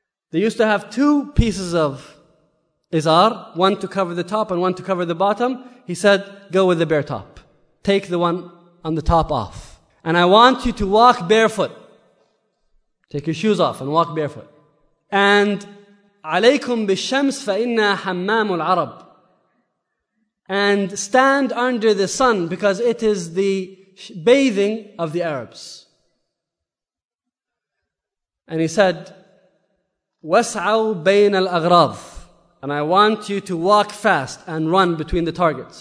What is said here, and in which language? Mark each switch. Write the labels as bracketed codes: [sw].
[en] They used to have two pieces of izar, one to cover the top and one to cover the bottom. He said, go with the bare top. Take the one on the top off. And I want you to walk barefoot. Take your shoes off and walk barefoot. [ar] And عليكم بالشمس فإنا حمام العرب. [en] And stand under the sun because it is the bathing of the Arabs. And he said, [ar] وسعوا بين الأغراض. [en] And I want you to walk fast and run between the targets.